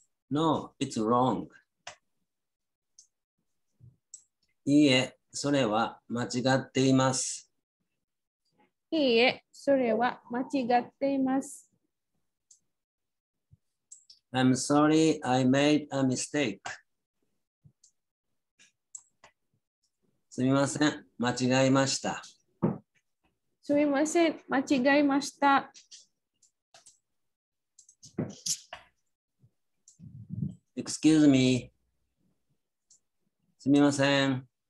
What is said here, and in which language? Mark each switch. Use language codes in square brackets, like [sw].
[en] No, it's wrong. [ja] いいえ、それは間違っています。いいえ、それは間違っています。 [en] I'm sorry I made a mistake. [ja] すみません、間違いました。すみません、間違いました。 [en] Excuse me. [ja] すみません。